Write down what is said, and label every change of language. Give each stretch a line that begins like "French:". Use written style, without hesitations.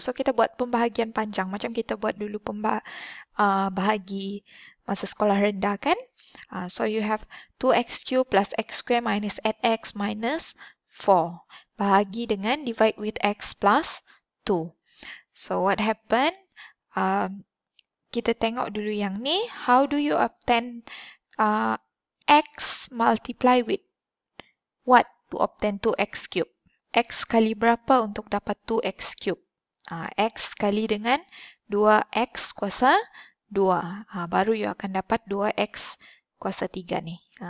Malay: So, kita buat pembahagian panjang. Macam kita buat dulu bahagi masa sekolah rendah kan.
English: So, you have 2x cubed plus x squared minus 8x minus 4.
Malay: Bahagi dengan
English: divide with x plus 2. So, what happen?
Malay: Kita tengok dulu yang ni.
English: How do you obtain x multiply with what? To obtain 2x cubed.
Malay: X kali berapa untuk dapat
English: 2x cubed?
Malay: X kali dengan 2x kuasa 2. Baru you akan dapat 2x kuasa 3 ni.